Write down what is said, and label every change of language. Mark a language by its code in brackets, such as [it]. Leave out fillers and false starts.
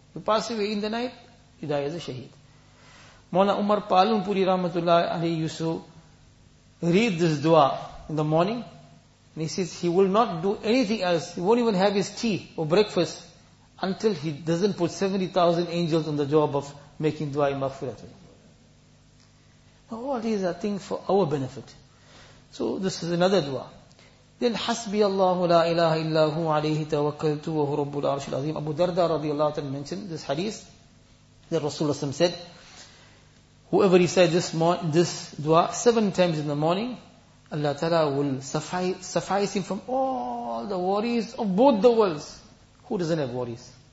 [en] You pass away in the night, you die as a shaheed. Mawlana Umar Palunpuri Rahmatullah Alayhi Yusuf read this dua in the morning. And he says he will not do anything else. He won't even have his tea or breakfast until he doesn't put 70,000 angels on the job of making dua in maghfirat for you. Now all these are things for our benefit. So this is another dua. [ar] Then حسبي الله لا إله إلا هو عليه توكلت وهو رب العرش العظيم. [en] Abu Darda [ar] رضي الله عنه [en] mentioned this hadith that Rasulullah SAW said, whoever recites this dua seven times in the morning, Allah Ta'ala will suffice him from all the worries of both the worlds. Who doesn't have worries?